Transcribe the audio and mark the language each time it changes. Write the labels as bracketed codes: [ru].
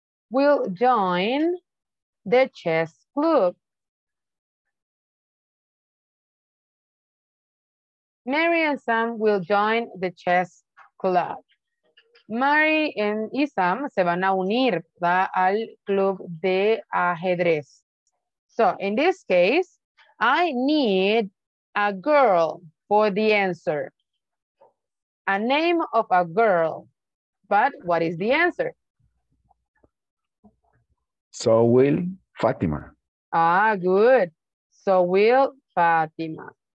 [en] Will join the chess club. Mary and Sam will join the chess club. [es] Mary y Sam se van a unir, ¿verdad?, al club de ajedrez. [en] So, in this case, I need a girl for the answer. A name of a girl. But what is the answer? So will Fatima. Ah, good. So will Fatima.